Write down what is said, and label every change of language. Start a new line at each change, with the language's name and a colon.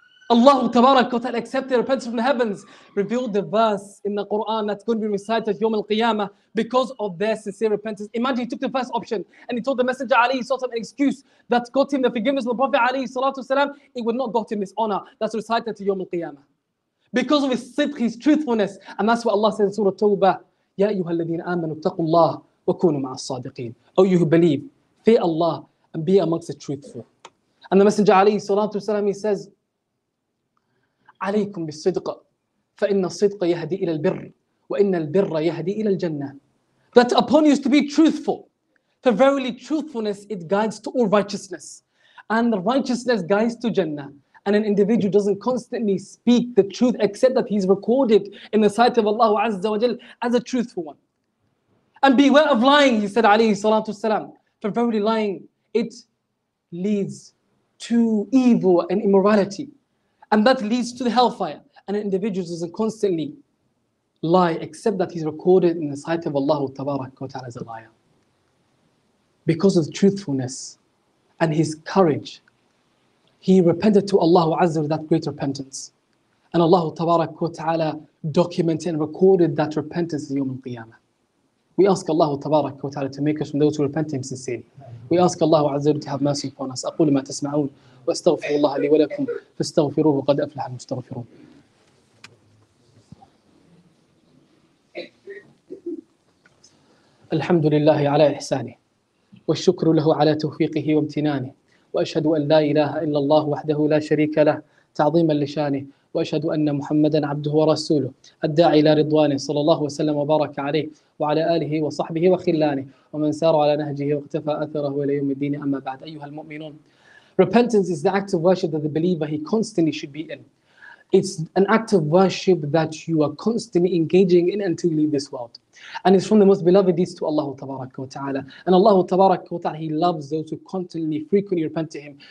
English: Allah Tabarak wa Ta'ala accepted their repentance from the heavens, revealed the verse in the Qur'an that's going to be recited at Yawm Al-Qiyamah because of their sincere repentance. Imagine he took the first option and he told the Messenger Ali an excuse that got him the forgiveness of the Prophet Ali Salatu Wasalam, it would not got him this honor that's recited at Yawm Al-Qiyamah. Because of his sidq, his truthfulness. And that's what Allah says in Surah Tawbah,
Arabic: يَا أَيُّهَا الَّذِينَ آمَنُوا اتَّقُوا اللَّهِ وَكُونُوا مَعَ الصَّادِقِينَ.
English: Oh, you who believe, fear Allah and be amongst the truthful. And the Messenger
Arabic: عليه الصلاة والسلام,
English: he says,
Arabic: عَلَيْكُمْ بِالصِّدْقَ فَإِنَّ الصِّدْقَ يَهْدِي إِلَى الْبِرِّ وَإِنَّ الْبِرَّ يَهْدِي إِلَى الْجَنَّةِ.
English: That upon you is to be truthful. For verily truthfulness, it guides to all righteousness. And the righteousness guides to Jannah. And an individual doesn't constantly speak the truth except that he's recorded in the sight of Allah Azza wa Jal as a truthful one. And beware of lying, he said alayhi salatu wasalam. For verily lying, it leads to evil and immorality. And that leads to the hellfire. And an individual doesn't constantly lie except that he's recorded in the sight of Allah Tabarak wa Ta'ala as a liar. Because of truthfulness and his courage, he repented to Allah Azza with that great repentance. And Allah Tabarak wa Ta'ala documented and recorded that repentance in the Yawm Al-Qiyamah. We ask Allah Tabarak wa Ta'ala to make us from those who repent Him sincerely. We ask Allah Azza to have mercy upon us.
Arabic: أقول ما تسمعون وأستغفر الله لي ولكم فاستغفروه وقد أفلح المستغفرون. الحمد لله على إحسانه والشكر له على توفيقه وامتنانه. وأشهد أن لا إله إلا الله وحده لا شريك له تعظيما لشانه وأشهد أن محمدا عبده ورسوله الداعي إلى رضوانه صلى الله وسلم وبارك عليه وعلى آله وصحبه وخلانه ومن سار على نهجه واقتفى أثره إلى يوم الدين أما بعد أيها المؤمنون.
English: Repentance is the act of worship that the believer he constantly should be in. It's an act of worship that you are constantly engaging in until you leave this world. And it's from the most beloved deeds to Allah Tabarak wa Ta'ala. And Allah Tabarak wa Ta'ala, He loves those who constantly, frequently repent to Him.